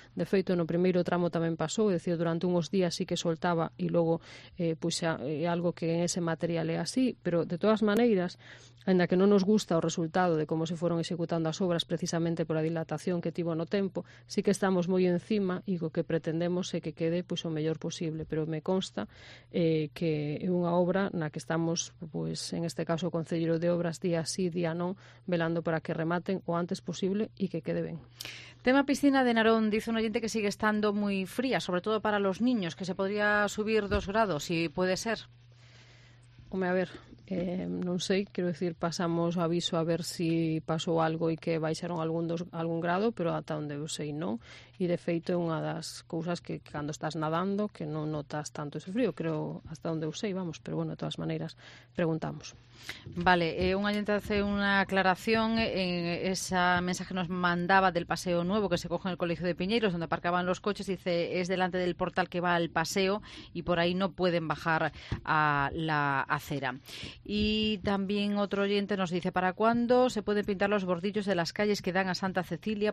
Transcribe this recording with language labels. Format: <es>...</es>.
<gl>De feito, no primeiro tramo tamén pasou, decir, durante unhos días sí que soltaba e logo puxa algo que en ese material é así, pero de todas maneiras, ainda que non nos gusta o resultado de como se foron executando as obras precisamente pola dilatación que tivo no tempo, sí que estamos moi encima e o que pretendemos é que quede pois, o mellor posible. Pero me consta que é unha obra na que estamos, pois, en este caso, o concelleiro de obras día sí, día non, velando para que rematen o antes posible e que quede ben.</gl> <es>Tema piscina de Narón, dice un oyente que sigue estando moi fría, sobre todo para los niños, que se podría subir 2 grados, si puede ser.</es> <gl>Home, a ver, non sei, quero dicir, pasamos aviso a ver si pasou algo e que baixaron algún grado, pero ata onde eu sei non, e de feito é unha das cousas que cando estás nadando que non notas tanto ese frío, creo, hasta onde eu sei, vamos, pero bueno, de todas maneiras preguntamos.</gl> <es>Vale, un oyente hace unha aclaración en esa mensaje que nos mandaba del paseo nuevo que se coge en el colegio de Piñeiros, onde aparcaban los coches, dice es delante del portal que va al paseo e por aí non poden bajar a la acera. Y también otro oyente nos dice, ¿para cuándo se pueden pintar los bordillos de las calles que dan a Santa Cecilia?</es>